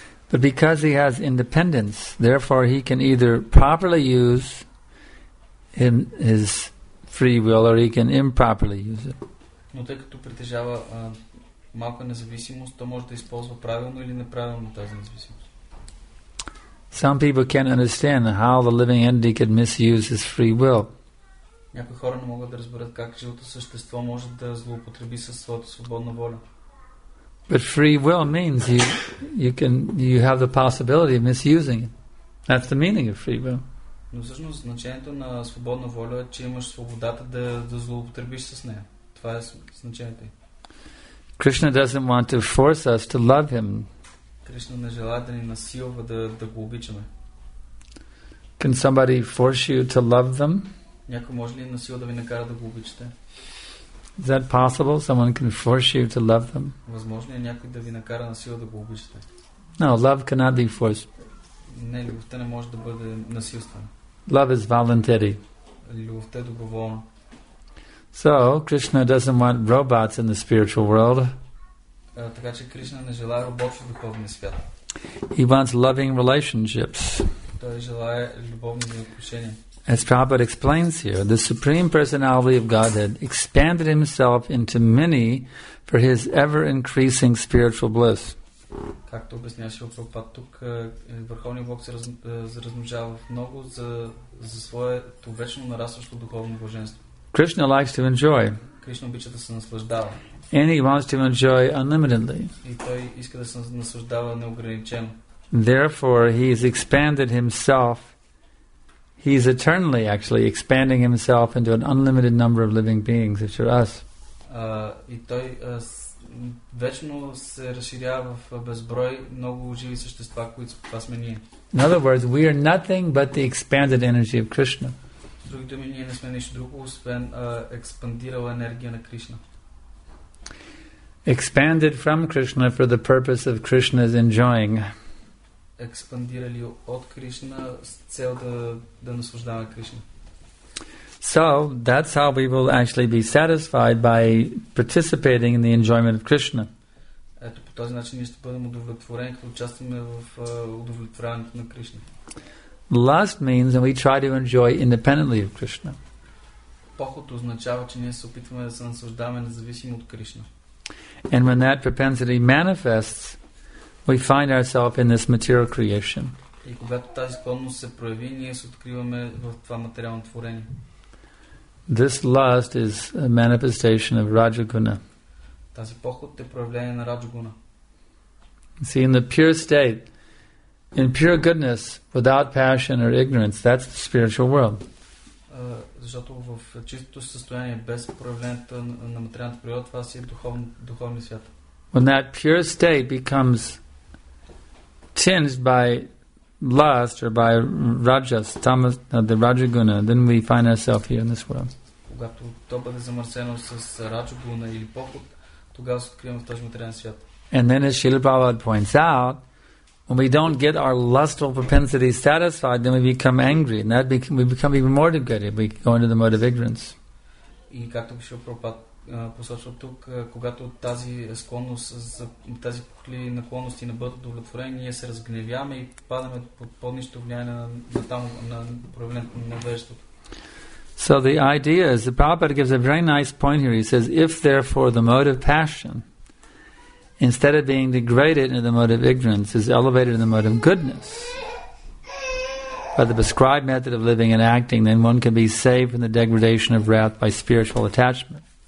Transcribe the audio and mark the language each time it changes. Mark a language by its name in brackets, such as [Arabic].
[English] But because he has independence, therefore he can either properly use in his free will or he can improperly use it. [Bulgarian] Но тъй като притежава малка независимост, то може да използва правилно или неправилно тази независимост. [English] Some people can't understand how the living entity can misuse his free will. [Bulgarian] Някои хора не могат да разберат как живото същество може да злоупотреби със своята свободна воля. [English] But free will means you have the possibility of misusing it. That's the meaning of free will. [Bulgarian] Но всъщност значението на свободна воля е, че имаш свободата да злоупотребиш с нея. Това е значението. [English] Krishna doesn't want to force us to love him. [Bulgarian] Krishna не желая да ни насилва да го обичаме. [English] Can somebody force you to love them? [Bulgarian] Някой може ли на сила да ви накара да го обичате? [English] Is that possible? Someone can force you to love them? [Bulgarian] Възможно ли е някой да ви накара на сила да го обичате? [English] No, love cannot be forced. [Bulgarian] Не, любовта не може да бъде насилствена. [English] Love is voluntary. [Bulgarian] Любовта е доброволна. [English] So, Krishna doesn't want robots in the spiritual world. [Bulgarian] Така че Кришна не желая робот в духовния свят. [English] He wants loving relationships. [Bulgarian] Той желая любовни отношения. [English] As Prabhupada explains here, the Supreme Personality of Godhead expanded himself into many for his ever-increasing spiritual bliss. [Bulgarian] Както обясняваше Прабхупад тук, Върховният Бог се размножава много за своето вечно нарастващо духовно блаженство. [English] Krishna likes to enjoy. [Bulgarian] Кришна обича да се наслаждава. [English] And he wants to enjoy unlimitedly. [Bulgarian] И той иска да се наслаждава неограничено. [English] Therefore, he has expanded himself. He is eternally actually expanding himself into an unlimited number of living beings, which are us. [Bulgarian] И той вечно се разширява в безброй много живи същества, които това сме ние. [English] In other words, we are nothing but the expanded energy of Krishna. [Bulgarian] Други думи, ние не сме нищо друго, освен експандирала енергия на Кришна. [English] Expanded from Krishna for the purpose of Krishna's enjoying. [Bulgarian] Експандирали от Кришна с цел да наслаждава Кришна. [English] So, that's how we will actually be satisfied by participating in the enjoyment of Krishna. [Bulgarian] Ето, по този начин ние ще бъдем удовлетворени, като участваме в удовлетворяването на Кришна. [English] Lust means that we try to enjoy independently of Krishna. [Bulgarian] Похот означава, че ние се опитваме да се наслаждаваме независимо от Кришна. [English] And when that propensity manifests, we find ourselves in this material creation. [Bulgarian] И когато тази склонност се прояви, ние се откриваме в това материално творение. [English] This lust is a manifestation of Rajaguna. [Bulgarian] Тази похот е проявление на Раджагуна. [English] See, in the pure state, in pure goodness, without passion or ignorance, that's the spiritual world. [Bulgarian] Защото в чистото състояние, без проявлението на материалната природа, това си е духовния свят. [English] When that pure state becomes tinged by lust or by rajas, tamas, the rajaguna, then we find ourselves here in this world. [Bulgarian] Когато то бъде замърсено с раджагуна или поход, тогава се откриваме в този материален свят. [English] And then as Srila Prabhupada points out, when we don't get our lustful propensities satisfied, then we become angry, and that we become even more degraded. We go into the mode of ignorance. [Bulgarian] И както беше Прабхупад посочва тук, когато тази склонност за тази похотливи наклонности не бъдат удовлетворени, ние се разгневяваме и падаме под по-нищо влияние на там на проявлението на невежеството. [English] So the idea is that Prabhupada gives a very nice point here. He says, if therefore the mode of passion, instead of being degraded into the mode of ignorance, is elevated in the mode of goodness by the prescribed method of living and acting, then one can be saved from the degradation of wrath by spiritual attachment.